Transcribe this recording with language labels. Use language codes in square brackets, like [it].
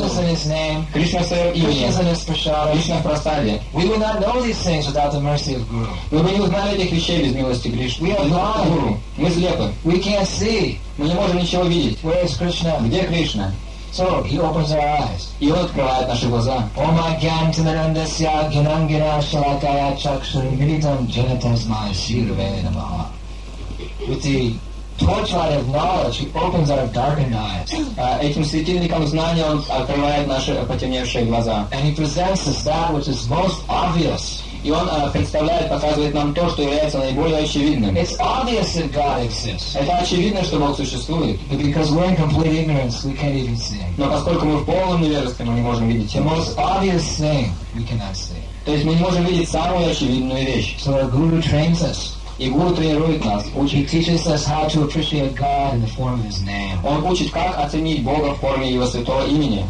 [en] Krishna is in his name. [ru] Кришна в своем имени. [en] Krishna is in his prashada. [ru] Кришна в прасаде. [en] We would not know these things without the mercy of Guru. [ru] Мы бы не узнали этих вещей без милости Кришны. [en] We are blind. [ru] Гуру. Мы слепы. [en] We can't see. [ru] Мы не можем ничего видеть. [en] Where is Krishna? [ru] Где Кришна? [en] So he opens our eyes. [ru] И он открывает наши глаза. [sa] Om Agyantamanandasya Gyanangina Shalakaya Chakshuri Militam Janatasmaya Sirvaya Namaha. [en] With the torchlight of knowledge, he opens our darkened eyes. [ru] Этим светильником знания он открывает наши потемневшие глаза. [en] And he presents us that which is most obvious. [ru] И он представляет, показывает нам то, что является наиболее очевидным. [en] It's obvious that God exists. [ru] Это очевидно, что Бог существует. [en] But because we're in complete ignorance, we can't even see. [ru] Но поскольку мы в полном невежестве, мы не можем видеть. [en] The most obvious thing we cannot see. [ru] То есть мы не можем видеть самую очевидную вещь. [en] So our guru trains us. [ru] И Гуру тренирует нас. [en] He teaches us how to appreciate God in the form of His name. Он учит, как оценить Бога в форме Его святого имени.